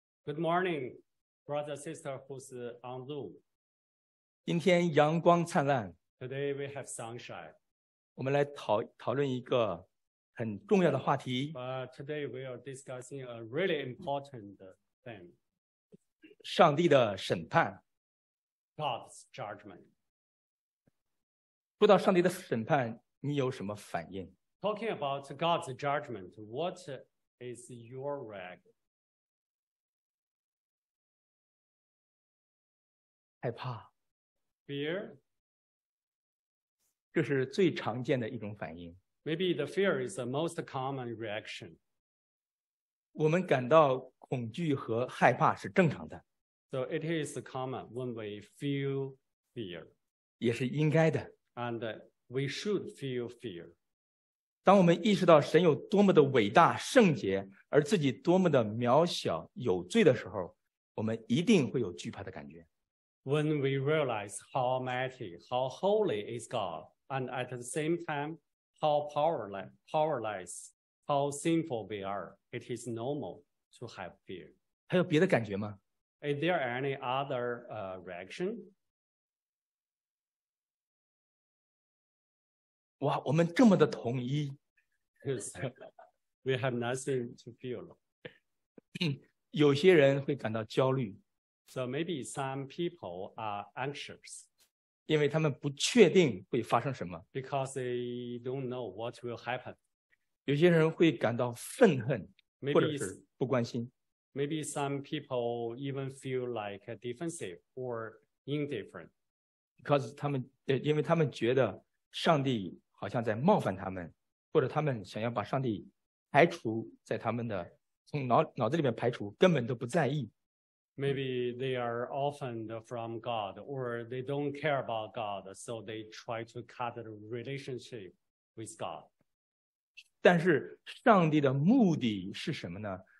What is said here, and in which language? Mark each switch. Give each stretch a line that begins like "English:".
English: Good morning, brothers and sisters who's on Zoom.
Chinese: 今天阳光灿烂。
English: Today we have sunshine.
Chinese: 我们来讨论一个很重要的话题。
English: Today we are discussing a really important thing.
Chinese: 上帝的审判。
English: God's judgment.
Chinese: 说到上帝的审判，你有什么反应？
English: Talking about God's judgment, what is your reaction?
Chinese: 害怕。
English: Fear?
Chinese: 这是最常见的一种反应。
English: Maybe the fear is the most common reaction.
Chinese: 我们感到恐惧和害怕是正常的。
English: So it is common when we feel fear.
Chinese: 也是应该的。
English: And we should feel fear.
Chinese: 当我们意识到神有多么的伟大圣洁，而自己多么的渺小有罪的时候，我们一定会有惧怕的感觉。
English: When we realize how mighty, how holy is God, and at the same time, how powerless, how sinful we are, it is normal to have fear.
Chinese: 还有别的感觉吗？
English: Is there any other reaction?
Chinese: 哇，我们这么的统一。
English: We have nothing to feel.
Chinese: 有些人会感到焦虑。
English: So maybe some people are anxious.
Chinese: 因为他们不确定会发生什么。
English: Because they don't know what will happen.
Chinese: 有些人会感到愤恨，或者是不关心。
English: Maybe some people even feel like defensive or indifferent.
Chinese: Because 因为他们觉得上帝好像在冒犯他们，或者他们想要把上帝排除在他们的从 脑子里面排除，根本都不在意。
English: Maybe they are orphaned from God or they don't care about God, so they try to cut the relationship with God.
Chinese: 但是上帝的目的是什么呢？